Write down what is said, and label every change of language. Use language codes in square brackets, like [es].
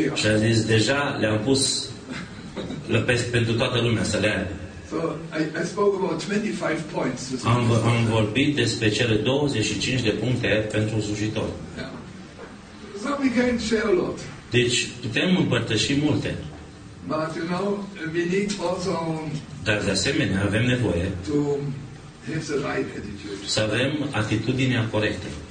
[ro] air. Și a zis, deja le-am pus pentru toată lumea să le aibă. [en] So I spoke about 25 points. [ro] Am vorbit despre cele 25 de puncte pentru slujitor. [en] Yeah. So we can share a lot. [ro] Deci putem împărtăși multe. [en] But you know, we need also. [ro] Dar de asemenea avem nevoie. [en] To have the right attitude. [ro] Să avem atitudinea corectă.